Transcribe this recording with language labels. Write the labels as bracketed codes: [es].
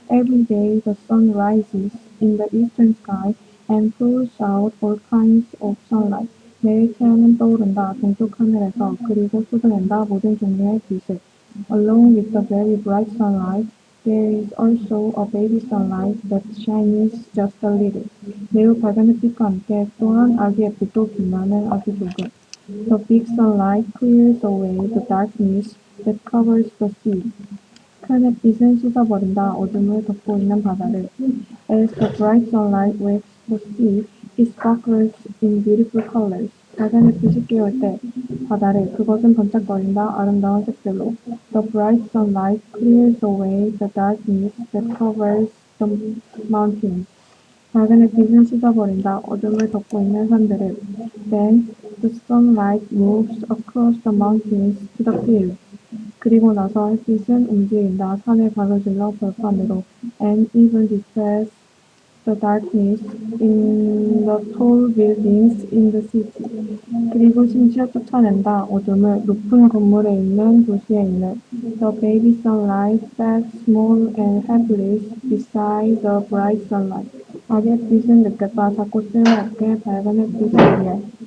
[en] Every day the sun rises in the eastern sky and pours out all kinds of sunlight. [ko] 매일 태양은 떠오른다. 동쪽 하늘에서 그리고 쏟아낸다. 모든 종류의 빛을. [en] Along with the very bright sunlight, there is also a baby sunlight that shines just a little. [ko] 매우 밝은 햇빛과 함께 또한 아기 햇빛도 빛나는 아기 조금. [en] The big sunlight clears away the darkness that covers the sea. [ko] 큰 햇빛은 씻어버린다. 어둠을 덮고 있는 바다를. [en] As the bright sunlight wakes the sea, it sparkles in beautiful colors. [ko] 밝은 햇빛이 깨울 때 바다를 그것은 번쩍거린다 아름다운 색들로. [en] The bright sunlight clears away the darkness that covers the mountains. [ko] 밝은 햇빛은 씻어버린다 어둠을 덮고 있는 산들을. [en] Then the sunlight moves across the mountains to the field. [ko] 그리고 나서 햇빛은 움직인다 산을 가로질러 벌판으로. [en] And even dispels the darkness in the tall buildings in the city. [ko] 그리고 심지어 쫓아낸다 어둠을 높은 건물에 있는 도시에 있는. [en] The baby sunlight sat small and helpless beside the bright sunlight. [ko] 아기 햇빛은 늦겠다 자꾸 쓸모없게 밝은 햇빛을 위해.